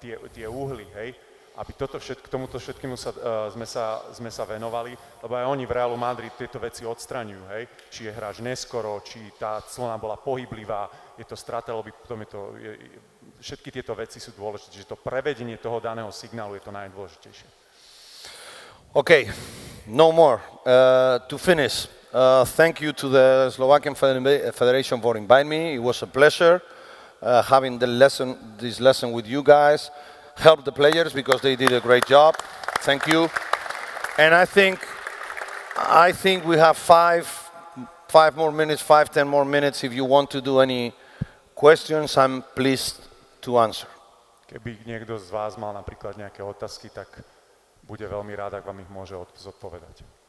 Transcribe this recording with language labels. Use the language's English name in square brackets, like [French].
[Slovak] tie úhly, hej, aby toto všetko, k tomuto všetkému sme sa venovali, lebo aj oni v Realu Madrid tieto veci odstraňujú, hej, či je hráč neskoro, či tá clona bola pohyblivá, je to strata, lebo potom všetky tieto veci sú dôležité, že to prevedenie toho daného signálu je to najdôležitejšie. [English] OK, no more. To finish, thank you to the Slovakian Federation for inviting me. It was a pleasure having this lesson with you guys. Help the players because they did a great job. Thank you. And I think we have five more minutes, 5-10 more minutes. If you want to do any questions, I'm pleased to answer. [Slovak] Keby niekto z vás mal napríklad nejaké otázky, tak bude veľmi rád, ak vám ich môže zodpovedať.